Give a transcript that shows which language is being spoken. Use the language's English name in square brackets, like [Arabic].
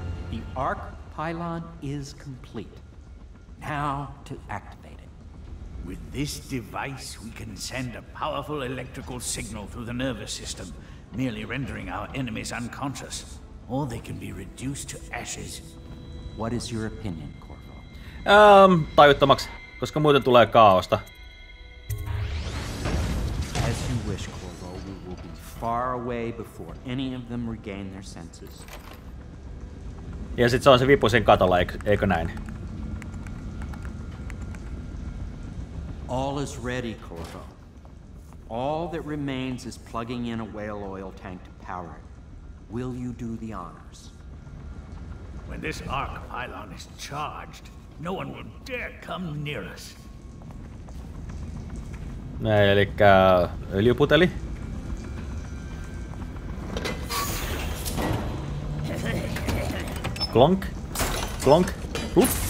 [English] The arc pylon is complete. Now to activate it. With this device, we can send a powerful electrical signal through the nervous system, merely rendering our enemies unconscious. Or they can be reduced to ashes. What is your opinion, Corvo? [Finnish] Tajuttomaksi, koska muuten tulee kaaosta. [English] As you wish, Corvo, we will be far away before any of them regain their senses. [Finnish] Ja sit se on se vipu sen katolla, eikö näin? [English] All is ready, Corvo. All that remains is plugging in a whale oil tank to power it. Will you do the honors? When this arc pylon is charged, no one will dare come near us. [Finnish] Näin, elikkä öljyputeli. Klonk, klonk, plup.